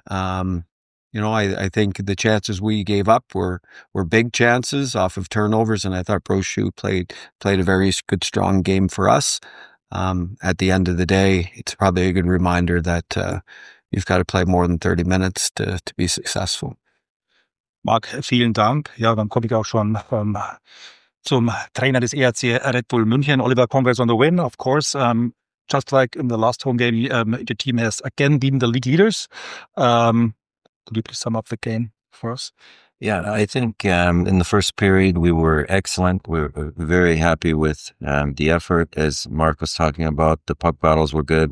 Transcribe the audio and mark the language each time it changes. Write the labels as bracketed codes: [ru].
[en] I think the chances we gave up were big chances off of turnovers, and I thought Brochu played a very good, strong game for us. At the end of the day, it's probably a good reminder that you've got to play more than 30 minutes to be successful. [de] Mark, vielen Dank. Ja, dann komme ich auch schon zum Trainer des ERC Red Bull München, Oliver. [en] Congrats on the win, of course. Just like in the last home game, the team has again been the league leaders. Could you please sum up the game for us? Yeah, I think in the first period, we were excellent. We were very happy with the effort. As Mark was talking about, the puck battles were good.